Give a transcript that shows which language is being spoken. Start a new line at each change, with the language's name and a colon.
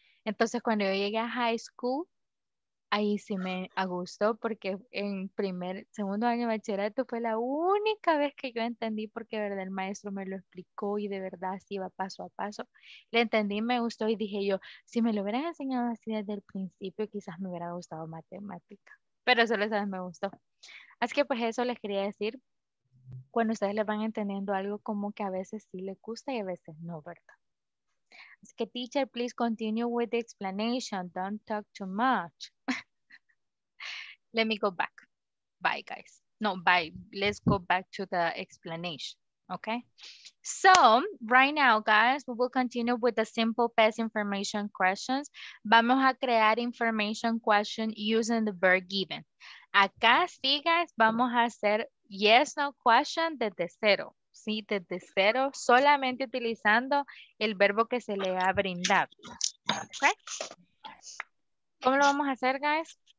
Spanish: Entonces, cuando yo llegué a high school, ahí sí me gustó porque en segundo año de bachillerato fue la única vez que yo entendí porque, de verdad, el maestro me lo explicó y de verdad así iba paso a paso. Le entendí, me gustó y dije yo, si me lo hubieran enseñado así desde el principio, quizás me hubiera gustado matemática. Pero solo esa vez me gustó. Así que pues eso les quería decir. Cuando ustedes les van entendiendo algo, como que a veces sí les gusta y a veces no, ¿verdad? Así que
English: teacher, please continue with the explanation. Don't talk too much. Let me go back. Bye, guys. No, bye. Let's go back to the explanation. Okay? So, right now, guys, we will continue with the simple past information questions.
Spanish: Vamos a crear
English: information questions using the verb given.
Spanish: Acá sí, guys, vamos a hacer yes, no question desde cero. Sí, desde cero, solamente utilizando el verbo que se le ha brindado. Okay? ¿Cómo lo vamos a hacer, guys?